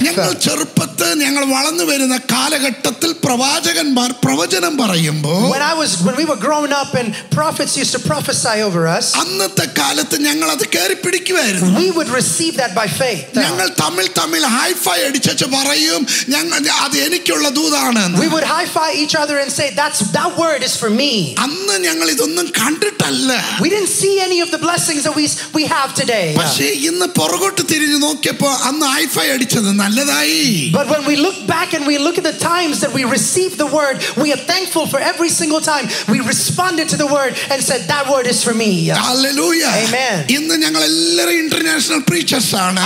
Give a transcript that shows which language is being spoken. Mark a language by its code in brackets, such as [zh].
[en] When we were growing up and prophets used to prophesy over us, we would receive that by faith. Tamil high five. [ml] അതെ എനിക്കുള്ള ദൂതാണ് [en] we would high five each other and say that word is for me [ml] അന്ന് ഞങ്ങൾ ഇതൊന്നും കണ്ടിട്ടില്ല [en] we didn't see any of the blessings that we have today [ml] പക്ഷേ ഇന്ന് പുറകോട്ട് തിരിഞ്ഞു നോക്കിയപ്പോൾ അന്ന് high five അടിച്ചത് നല്ലതായി [en] but when we look back and we look at the times that we received the word we are thankful for every single time we responded to the word and said that word is for me hallelujah amen [ml] ഇന്ന് ഞങ്ങൾ എല്ലാവരും [en] international preachers [ml] ആണ്